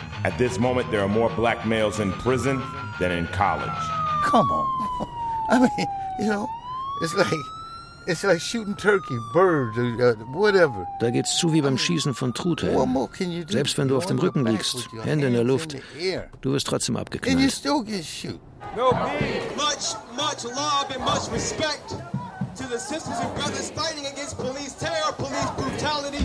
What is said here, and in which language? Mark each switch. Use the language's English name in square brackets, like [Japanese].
[English] At this moment, there are more black males in prison than in college. Come on. I mean, you know, it's like shooting turkey, birds, whatever. [German] Da geht's zu wie beim Schießen von Truthähnen. Selbst wenn du auf dem Rücken liegst, Hände in der Luft, du wirst trotzdem abgeknallt. [English] And you still get shoot. No beef. Much, much love and much respect to the sisters and brothers fighting against police terror, police brutality.